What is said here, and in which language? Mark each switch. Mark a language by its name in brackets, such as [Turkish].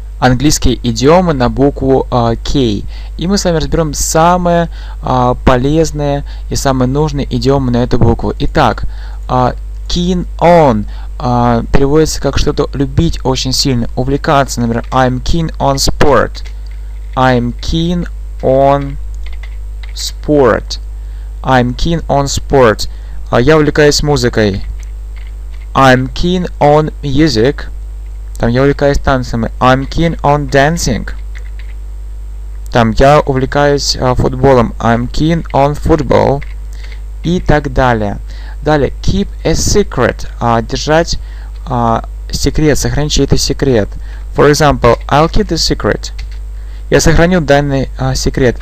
[Russian] английские идиомы на букву K. И мы с вами разберем самые полезные и самые нужные идиомы на эту букву. Итак, keen on переводится как что-то любить очень сильно, увлекаться. Например, [English] I'm keen on sport. I'm keen on sport. I'm keen on sport. [Russian] Я увлекаюсь музыкой. [English] I'm keen on music. [Russian] Там я увлекаюсь танцами. [English] I'm keen on dancing. [Russian] Там я увлекаюсь футболом. [English] I'm keen on football. [Russian] И так далее. Далее, [English] keep a secret. [Russian] Держать секрет, сохранить чей-то секрет. [English] For example, I'll keep the secret. [Russian] Я сохраню данный секрет.